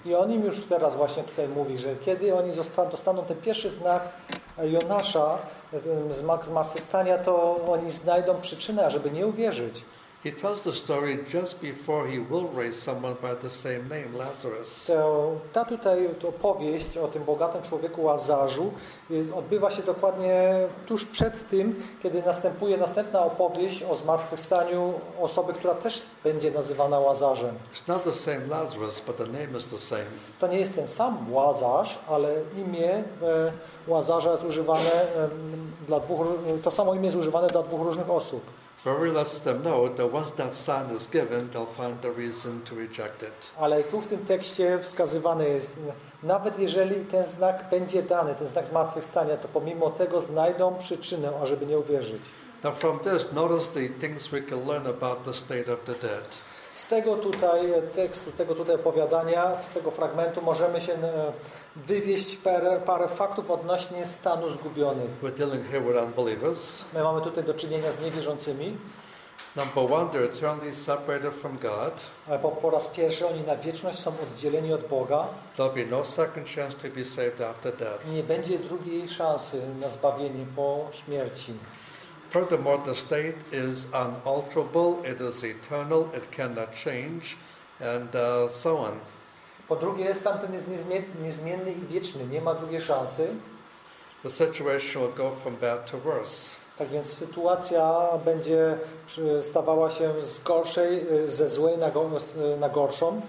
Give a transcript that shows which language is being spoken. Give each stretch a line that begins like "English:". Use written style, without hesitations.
Polish: I on im już teraz właśnie tutaj mówi, że kiedy oni dostaną ten pierwszy znak Jonasza, znak zmartwychwstania, to oni znajdą przyczynę, ażeby nie uwierzyć.
English: He tells the story just before he will raise someone by the same name, Lazarus.
Polish: Ta tutaj opowieść o tym bogatym człowieku Łazarzu odbywa się dokładnie tuż przed tym, kiedy następuje następna opowieść o zmartwychwstaniu osoby, która też będzie nazywana Łazarzem.
English: It's not the same Lazarus, but the name is the same.
Polish: To nie jest ten sam Łazarz, ale imię Łazarza jest używane dla dwóch, to samo imię jest używane dla dwóch różnych osób.
English: Mary lets them know that once that sign is given, they'll find the reason to reject it.
Polish: Ale tu w tym tekście wskazywane jest, nawet jeżeli ten znak będzie dany, ten znak zmartwychwstania, to pomimo tego znajdą przyczynę, ażeby nie uwierzyć.
English: Now from this, notice the things we can learn about the state of the dead.
Polish: Z tego tutaj tekstu, tego tutaj opowiadania, z tego fragmentu możemy się wywieść parę faktów odnośnie stanu zgubionych.
English: We're dealing here with unbelievers.
Polish: My mamy tutaj do czynienia z niewierzącymi.
English: Number one, they're eternally separated from God.
Polish: Po raz pierwszy oni na wieczność są oddzieleni od Boga.
English: There'll be no second chance to be saved after death.
Polish: Nie będzie drugiej szansy na zbawienie po śmierci.
English: Furthermore, the state is unalterable, it is eternal, it cannot change, and so on.
Polish: Po drugie, stan ten jest niezmienny i wieczny, nie ma drugiej szansy.
English: The situation will go from bad to worse.
Polish: Tak więc sytuacja będzie stawała się z gorszej, ze złej na gorszą.